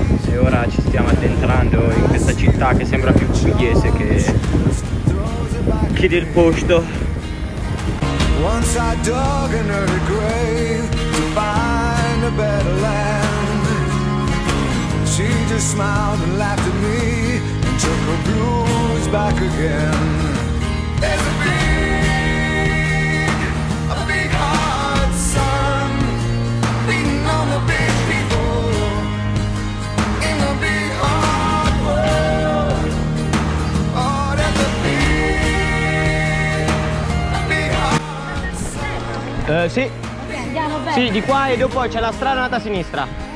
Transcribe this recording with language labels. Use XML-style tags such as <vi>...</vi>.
<it>E ora ci stiamo addentrando in questa città che sembra più pugliese che del posto.</it> <en>Once I dug in her grave to find a better land. She just smiled and laughed at me and took her blues back again. There's a big heart, son, beating on the big people in the big heart world. Oh, there's a big heart, son. Sì.</en> <it>Andiamo bene. Sì, di qua e dopo c'è la strada andata a sinistra.</it>